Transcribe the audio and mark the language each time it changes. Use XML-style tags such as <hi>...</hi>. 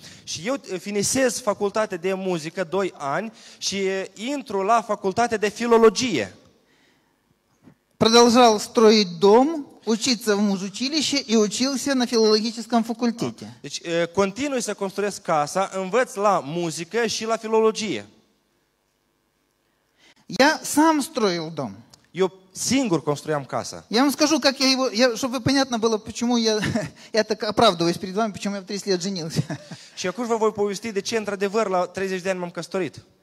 <ro>Și eu finisez facultatea de muzică 2 ani și intru la facultatea de filologie.</ro> <ru>Продолжал строить дом, учиться в музучилище и учился на филологическом факультете.</ru> <ro>Deci, continui să construiesc casa, învăț la muzică și la filologie.</ro> <ru>Я сам строил дом.</ru> <ro>Eu singur construiam casa.</ro> <ru>Я вам скажу, как я его, чтобы понятно было, почему я так оправдываюсь перед вами, почему я в 30 лет женился.</ru> <ro>Și acum vă voi povesti de ce, într-adevăr, la 30 de ani m-am căsătorit.</ro>